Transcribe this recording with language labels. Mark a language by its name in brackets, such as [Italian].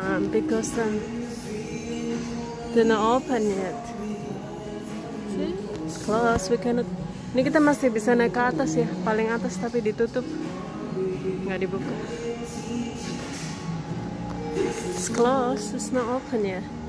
[English] Because they're not open yet. See? Close, we cannot. [Indonesian] Ini kita masih bisa naik ke atas ya, paling atas tapi ditutup, nggak dibuka. [English] It's closed, it's not open ya.